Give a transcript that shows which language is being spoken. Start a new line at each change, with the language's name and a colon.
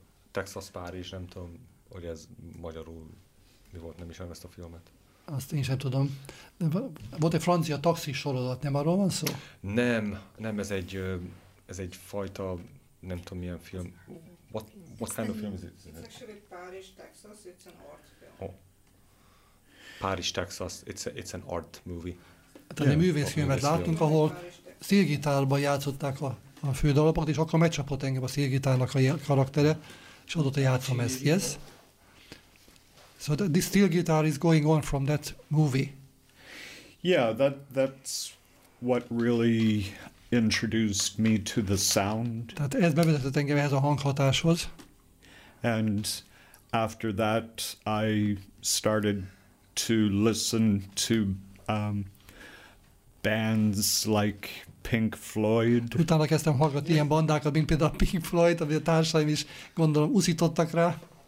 Hungarian: Texas Paris, nem tudom, hogy ez magyarul mi volt, nem ismerem ezt a filmet. Azt én sem tudom. De volt egy francia taxis sorozat, nem arról van szó? Nem, ez egy fajta, nem tudom milyen film.
English: What kind of film is it? It's actually Paris, Texas, it's an art film. Oh. Paris, Texas, it's an art movie.
Hungarian: Tehát egy művészfilmet láttunk, ahol szélgitárban játszották a fő dalapot, és akkor megcsapott engem a szélgitárnak a karaktere, és azóta játszom ezt, yes?
English: So the steel guitar is going on from that movie. Yeah, that's what really introduced me to the sound.
Hungarian: Tehát ez bevezetett engem ehhez a hanghatáshoz.
English: And after that, I started to listen to bands like Pink Floyd.
Hungarian: Utána kezdtem hallgatni ilyen bandákat, mint például Pink Floyd, ami a társaim is gondolom uszítottak rá.